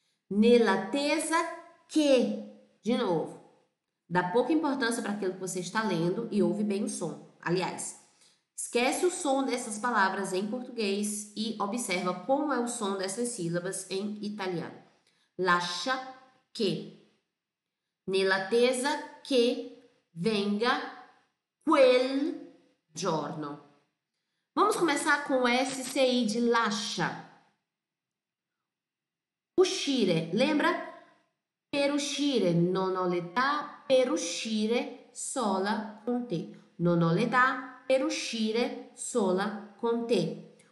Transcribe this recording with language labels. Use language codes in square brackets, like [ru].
[it] Nell'attesa che, [pt] de novo, dá pouca importância para aquilo que você está lendo e ouve bem o som. Aliás, esquece o som dessas palavras em português e observa como é o som dessas sílabas em italiano. [it] Lascia che, nell'attesa che venga quel giorno. [pt] Vamos começar com o SCI de lascia. Uscire, lembra? [it] Per uscire non ho l'età per uscire sola con te. Non ho l'età per uscire sola con te.